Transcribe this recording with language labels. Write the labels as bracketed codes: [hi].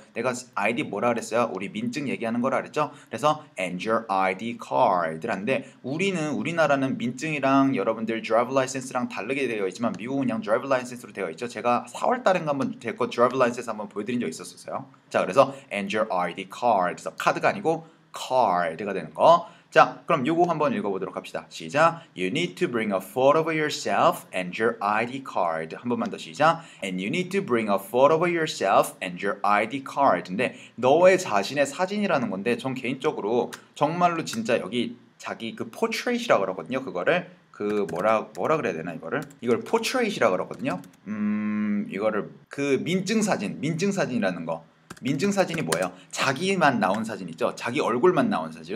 [ko] 내가 id 뭐라 그랬어요? 우리 민증 얘기하는 거라 그랬죠? 그래서 [en] and your ID card [ko] 란데 우리는 우리나라는 민증이랑 여러분들 드라이브 라이센스랑 다르게 되어 있지만 미국은 그냥 드라이브 라이센스로 되어 있죠. 제가 4월 달인가 한번 제 거 드라이브 라이센스 한번 보여드린 적 있었어요. 자, 그래서 [en] and your ID card [ko] 그래서 카드가 아니고 card가 되는 거. 자, 그럼 요거 한번 읽어보도록 합시다. 시작. [en] You need to bring a photo of yourself and your ID card. [ko] 한 번만 더 시작. [en] And you need to bring a photo of yourself and your ID card. [ko] 근데 너의 자신의 사진이라는 건데 전 개인적으로 정말로 진짜 여기 자기 그 포트레이트라고 그러거든요. 그거를 그 뭐라 그래야 되나 이거를? 이걸 포트레이트라고 그러거든요. 이거를 그 민증사진이라는 거. 민증사진이 뭐예요? 자기만 나온 사진 있죠? 자기 얼굴만 나온 사진.